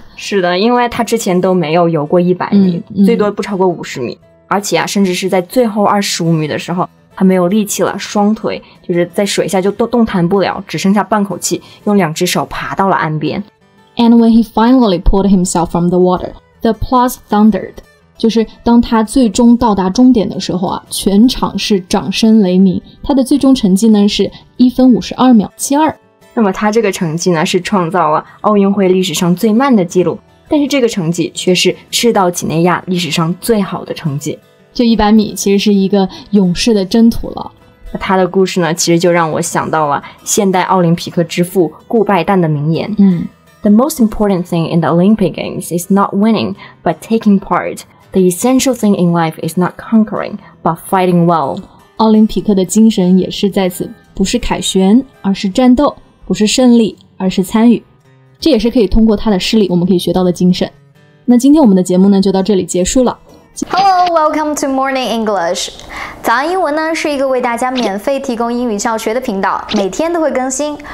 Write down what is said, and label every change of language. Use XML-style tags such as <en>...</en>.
<zh>是的因为他之前都没有游过100米最多不超过50米而且啊甚至是在最后25米的时候他没有力气了双腿就是在水下就动弹不了只剩下半口气用两只手爬到了岸边</zh> <en>And when he finally pulled himself from the water, the applause thundered.</en> <zh>就是当他最终到达终点的时候啊，全场是掌声雷鸣。他的最终成绩呢是1分52秒72。那么他这个成绩呢是创造了奥运会历史上最慢的记录，但是这个成绩却是赤道几内亚历史上最好的成绩。这100米其实是一个勇士的征途了。他的故事呢，其实就让我想到了现代奥林匹克之父顾拜旦的名言。</zh> <en>The most important thing in the Olympic Games is not winning, but taking part. The essential thing in life is not conquering, but fighting well.</en> <zh>奥林匹克的精神也是在此，不是凯旋，而是战斗；不是胜利，而是参与。这也是可以通过他的事例，我们可以学到的精神。那今天我们的节目呢，就到这里结束了。</zh> <en>Hello, welcome to Morning English.</en> <zh>早安英文呢是一个为大家免费提供英语教学的频道，每天都会更新。</zh>